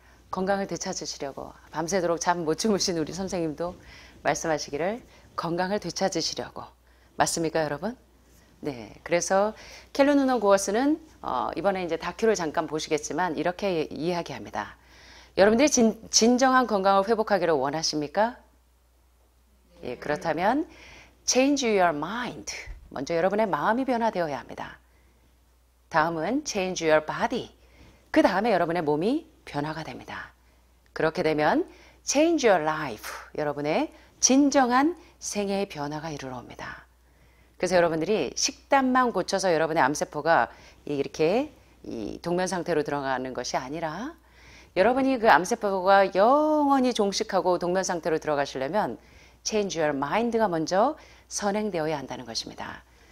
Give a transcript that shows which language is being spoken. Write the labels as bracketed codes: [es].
[ko] 건강을 되찾으시려고. 밤새도록 잠 못 주무신 우리 선생님도 말씀하시기를 건강을 되찾으시려고. 맞습니까, 여러분? 네. 그래서 켈리 누넌 고어스는 이번에 이제 다큐를 잠깐 보시겠지만 이렇게 이야기합니다. 여러분들이 진정한 건강을 회복하기를 원하십니까? 예, 그렇다면 [en] change your mind. [ko] 먼저 여러분의 마음이 변화되어야 합니다. 다음은 [en] change your body. [ko] 그 다음에 여러분의 몸이 변화가 됩니다. 그렇게 되면 [en] change your life. [ko] 여러분의 진정한 생애의 변화가 이루어옵니다. 그래서 여러분들이 식단만 고쳐서 여러분의 암세포가 이렇게 이 동면 상태로 들어가는 것이 아니라 여러분이 그 암세포가 영원히 종식하고 동면 상태로 들어가시려면 [en] change your mind [ko] 가 먼저 선행되어야 한다는 것입니다.